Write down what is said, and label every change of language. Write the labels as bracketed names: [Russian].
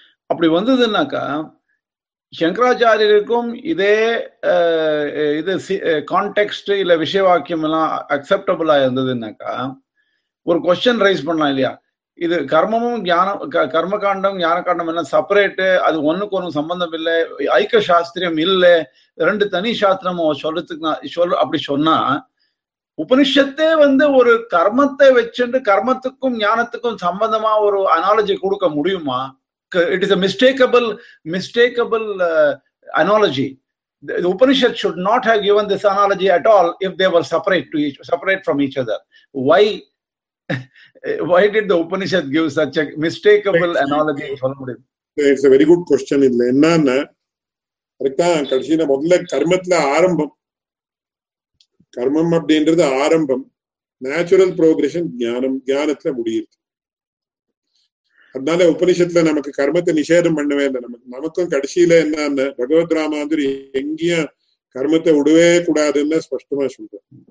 [Tamil] அப்படி வந்ததுன்னாக்கா சங்கராச்சாரியருக்கும் இதே இது கான்டெக்ஸ்ட் இல்ல விஷய வாக்கியம் எல்லாம் அக்செப்டபிளா இருந்ததுன்னாக்கா ஒரு க்வெஸ்சன் ரைஸ் பண்ணலாம் இல்லையா, இது கர்மமும் ஞானம் கர்மகாண்டம் ஞானகாண்டம் எல்லாம் செப்பரேட்டு, அது ஒண்ணுக்கு ஒண்ணு சம்பந்தம் இல்லை, ஐக்க சாஸ்திரியம் இல்லை, ரெண்டு தனி சாஸ்திரமும் சொல்றதுக்கு நான் சொல் அப்படி சொன்னா உபனிஷத்தே வந்து ஒரு கர்மத்தை வச்சுட்டு கர்மத்துக்கும் ஞானத்துக்கும் சம்பந்தமா ஒரு அனாலஜி கொடுக்க முடியுமா? [English] It is a mistakeable analogy. The Upanishad should not have given this analogy at all if they were separate from each other. Why did the Upanishad give such a mistakeable analogy? It's a very good question. [Tamil] இல்ல என்னன்னா அதுதான் கடைசியில முதல்ல கர்மத்துல ஆரம்பம், கர்மம் அப்படின்றது ஆரம்பம், natural progression ஞானம், ஞானத்துல முடியுது. அதனால உபனிஷத்துல நமக்கு கர்மத்தை நிஷேதம் பண்ணவே இல்லை. நமக்கும் கடைசியில என்ன பகவத் ராமாந்திரி எங்கேயும் கர்மத்தை விடவே கூடாதுன்னு ஸ்பஷ்டமா சொல்றேன்.